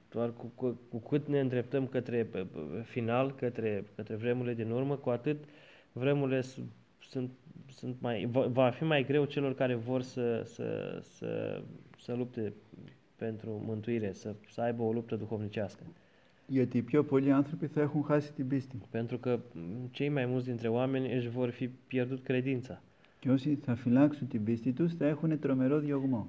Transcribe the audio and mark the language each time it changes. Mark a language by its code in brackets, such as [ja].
[ro] Doar cu cât ne îndreptăm către final, către vremurile din urmă, cu atât vremurile sunt mai, va fi mai greu celor care vor să lupte pentru mântuire, să aibă o luptă duhovnicească. [el] Γιατί πιο πολλοί άνθρωποι θα έχουν χάσει την πίστη. [ro] Pentru că cei mai mulți dintre oameni își vor fi pierdut credința. [el] Και όσοι θα φυλάξουν την πίστη τους θα έχουν τρομερό διωγμό.